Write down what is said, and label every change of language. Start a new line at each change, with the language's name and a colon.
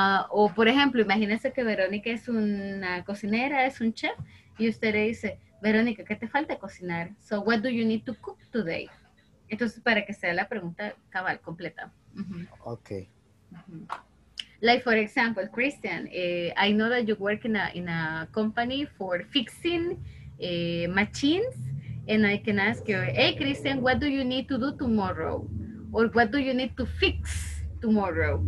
Spanish: O por ejemplo, imagínese que Verónica es una cocinera, es un chef, y usted le dice, Verónica, ¿qué te falta cocinar?
English: So, what do you need to cook today?
Spanish: Entonces, para que sea la pregunta cabal, completa. Mm-hmm. Okay. Mm-hmm.
English: Like, for example, Christian, I know that you work in a company for fixing machines, and I can ask you, hey, Christian, what do you need to do tomorrow? Or what do you need to fix tomorrow?